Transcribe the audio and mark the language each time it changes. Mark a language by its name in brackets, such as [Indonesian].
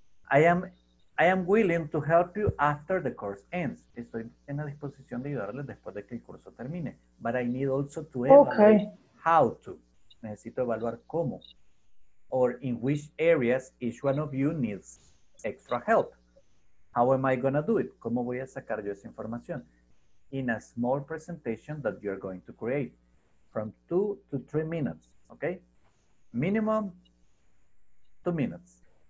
[English] I am willing to help you after the course ends. [Spanish] Estoy en la disposición de ayudarles después de que el curso termine. [English] But I need also to evaluate okay. how to. [Spanish] Necesito evaluar cómo. [English] Or in which areas each one of you needs extra help. How am I going to do it? [Spanish] ¿Cómo voy a sacar yo esa información? [English] In a small presentation that you're going to create. From 2 to 3 minutes. Okay? Minimum 2 minutes.